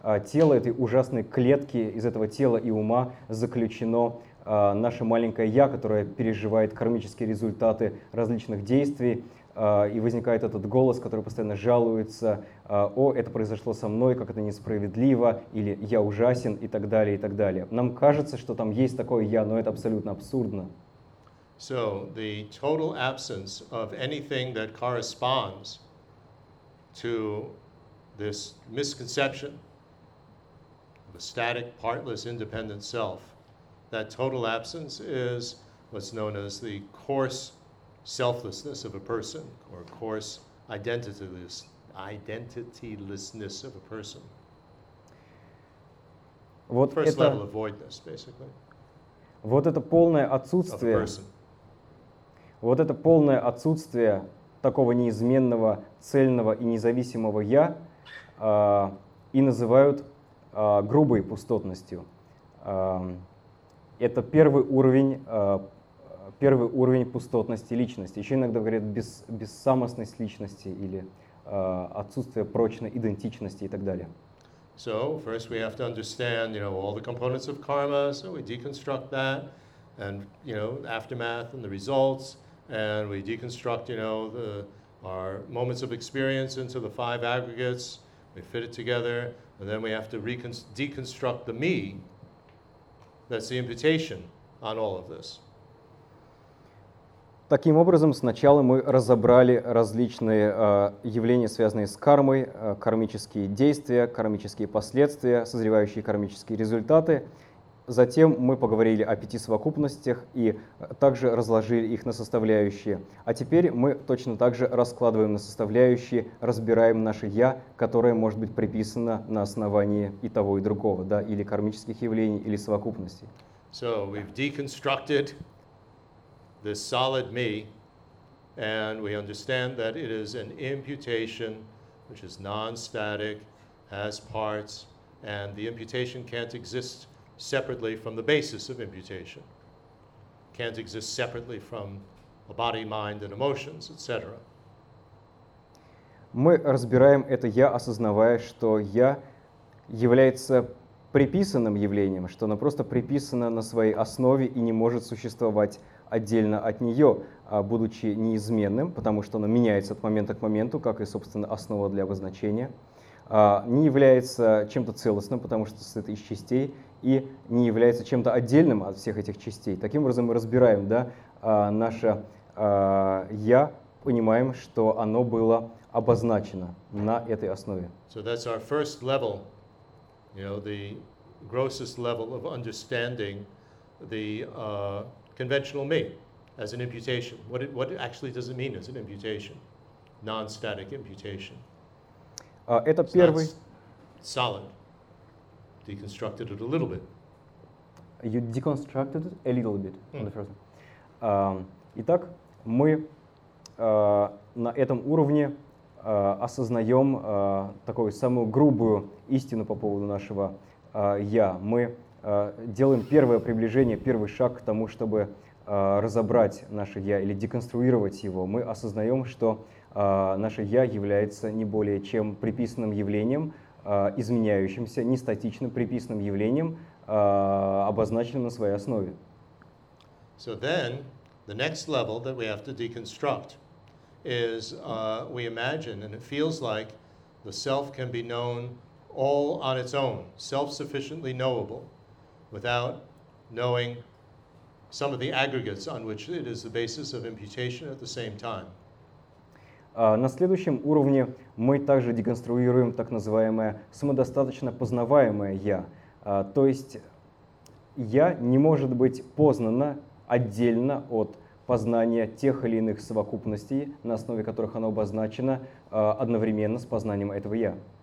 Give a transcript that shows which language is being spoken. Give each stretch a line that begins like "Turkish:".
Russian: тела, этой ужасной клетки из этого тела и ума заключено наше маленькое «я», которое переживает кармические результаты различных действий, и возникает этот голос, который постоянно жалуется: «О, это произошло со мной, как это несправедливо», или «Я ужасен», и так далее, и так далее. Нам кажется, что там есть такое «я», но это абсолютно абсурдно.
English: So the total absence of anything that corresponds to this misconception of a static, partless, independent self, that total absence is what's known as the coarse selflessness of a person, or coarse identitylessness of a person.
Russian: Вот
English: first
Russian: это,
English: level of voidness, basically.
Russian: Вот это полное отсутствие,
English: of a person.
Russian: Вот это полное отсутствие такого неизменного, цельного и независимого «я» и называют грубой пустотностью. Это первый уровень первый уровень пустотности личности. Еще иногда говорят бессамостность личности или отсутствие прочной идентичности и так далее.
English: So first we have to understand, you know, all the components of karma. So we deconstruct that, and you know, aftermath and the results, and we deconstruct, you know, the our moments of experience into the five aggregates. We fit it together, and then we have to deconstruct the me. That's the imputation on all of this.
Russian: Таким образом, сначала мы разобрали различные явления, связанные с кармой, кармические действия, кармические последствия, созревающие кармические результаты. Затем мы поговорили о пяти совокупностях и также разложили их на составляющие. А теперь мы точно так же раскладываем на составляющие, разбираем наше «я», которое может быть приписано на основании и того, и другого, да, или кармических явлений, или совокупностей.
English: So we've deconstructed this solid me, and we understand that it is an imputation, which is non-static, has parts, and the imputation can't exist separately from the basis of imputation. Can't exist separately from a body, mind, and emotions, etc.
Russian: Мы разбираем это «я», осознавая, что «я» является приписанным явлением, что оно просто приписано на своей основе и не может существовать отдельно от нее, будучи неизменным, потому что оно меняется от момента к моменту, как и, собственно, основа для обозначения, не является чем-то целостным, потому что состоит из частей, и не является чем-то отдельным от всех этих частей. Таким образом, мы разбираем, да, наше «я», понимаем, что оно было обозначено на этой основе.
English: So that's our first level, you know, the grossest level of understanding the conventional me as an imputation. What actually does it mean as an imputation? Non-static imputation.
Russian: Это первый.
English: It's solid. Deconstructed it a little bit. You deconstructed it a little bit. Mm. On the first one.
Russian: Итак, мы на этом уровне осознаем такую самую грубую истину по поводу нашего я. Мы делаем первое приближение, первый шаг к тому, чтобы разобрать наше «я» или деконструировать его, мы осознаем, что наше «я» является не более чем приписанным явлением, изменяющимся, нестатичным приписанным явлением, обозначенным на своей основе.
English: So then, the next level that we have to deconstruct is we imagine, and it feels like the self can be known all on its own, self-sufficiently knowable, without knowing some of the aggregates on which it is the basis of imputation at the same time.
Russian: На следующем уровне мы также деконструируем так называемое самодостаточно познаваемое «я». То есть «я» не может быть познано отдельно от познания тех или иных совокупностей, на основе которых оно обозначено одновременно с познанием этого «я».